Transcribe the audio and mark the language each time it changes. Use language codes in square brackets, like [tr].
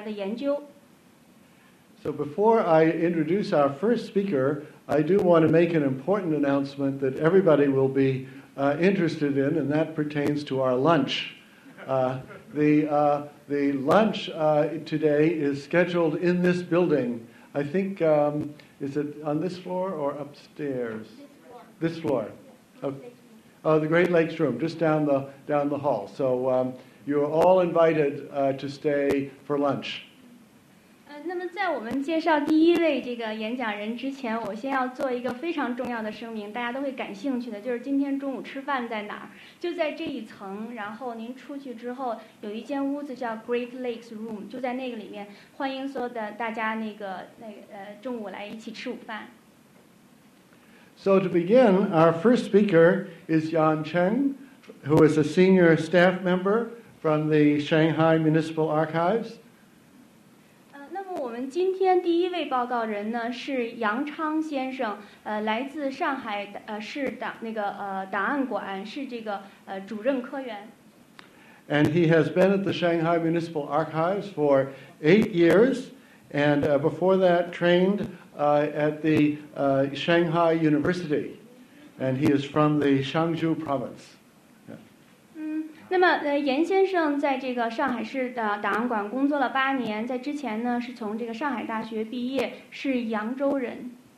[zh] 那么今天呢，我们所要这个探讨的问题呢，是关于这个市档案馆的这个工作，市档案馆的实践，以及呢从市档案馆这当中信息当中提取出来的研究。 [en] So before I introduce our first speaker, I do want to make an important announcement that everybody will be interested in, and that pertains to our lunch. The lunch today is scheduled in this building. I think, is it on this floor or upstairs? This floor. This floor. Oh, the Great Lakes Room, just down the hall. So you're all invited to stay for lunch. [zh] 那么在我们介绍第一位这个演讲人之前，我先要做一个非常重要的声明，大家都会感兴趣的，就是今天中午吃饭在哪儿，就在这一层，然后您出去之后有一间屋子叫 Great Lakes Room， 就在那个里面，欢迎所有的大家那个中午来一起吃午饭。 [en] So to begin, our first speaker is Yan Cheng, who is a senior staff member from the Shanghai Municipal Archives. [zh] 那么我们今天第一位报告人呢是杨昌先生，来自上海市档那个档案馆，是这个主任科员。 [en] And he has been at the Shanghai Municipal Archives for 8 years, and before that trained at the Shanghai University, and he is from the Shangzhou province. [zh] 那么严先生在这个上海市的档案馆工作了8年，在之前呢是从这个上海大学毕业，是扬州人。